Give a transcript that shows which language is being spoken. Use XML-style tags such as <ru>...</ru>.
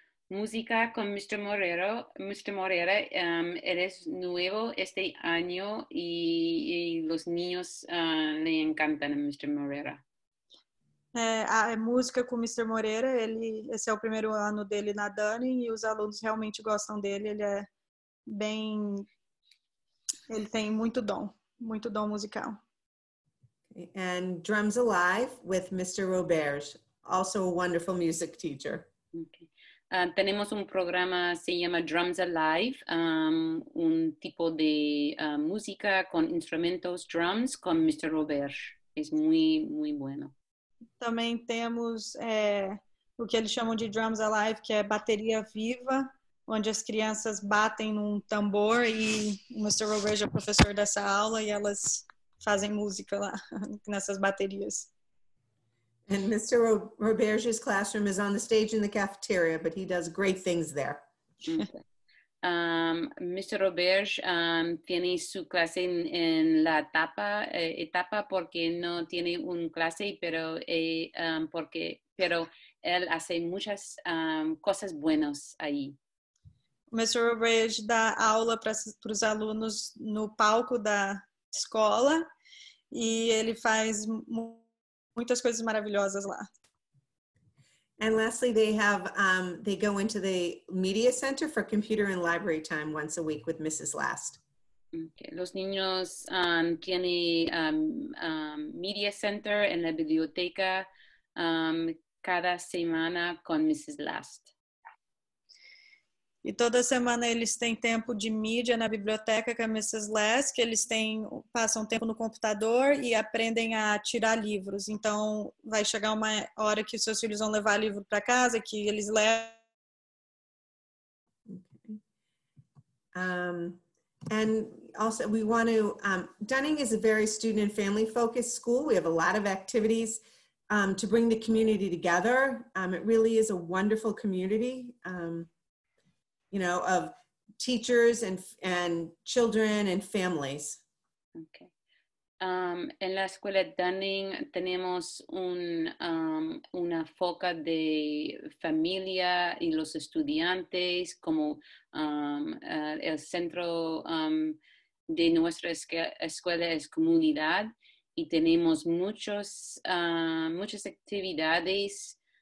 <es>Música con Mr. Moreira, eres nuevo este año y los niños le encantan a Mr. Moreira.</es> <pt>Música com Mr. Moreira, esse é o primeiro ano dele na Dani e os alunos realmente gostam dele. Ele tem muito dom musical.</pt> <en>And Drums Alive with Mr. Roberge, also a wonderful music teacher.</en> <es>Okay. Tenemos un programa, se llama Drums Alive, un tipo de música con instrumentos, drums, con Mr. Roberge. Es muy, muy bueno.</es> <pt>Também temos o que eles chamam de Drums Alive, que é bateria viva, onde as crianças batem num tambor e o Mr. Roberge é professor dessa aula e elas fazem música lá nessas baterias.</pt> <en>And Mr. Roberge's classroom is on the stage in the cafeteria, but he does great things there. Mr.</en> <es>Roberge tiene su clase en la etapa porque no tiene un clase, pero él hace muchas cosas buenas ahí.</es> <en>Mr.</en> <pt>Roberge dá aula para os alunos no palco da escola e ele faz muitas coisas maravilhosas lá.</pt> <en>And lastly, they go into the media center for computer and library time once a week with Mrs. Last. Okay.</en> <es>Los niños tienen media center en la biblioteca cada semana con Mrs. Last.</es> <pt>E toda semana eles têm tempo de mídia na biblioteca com a Mrs. Les, que eles passam tempo no computador e aprendem a tirar livros. Então, vai chegar uma hora que os seus filhos vão levar livro para casa, que eles levam.</pt> <en>And also, we want to... Dunning is a very student and family-focused school. We have a lot of activities to bring the community together. It really is a wonderful community. You know, of teachers and children and families. Okay.</en> <es>En la escuela Dunning tenemos una foca de familia y los estudiantes como el centro de nuestra escuela es comunidad y tenemos muchas actividades</es>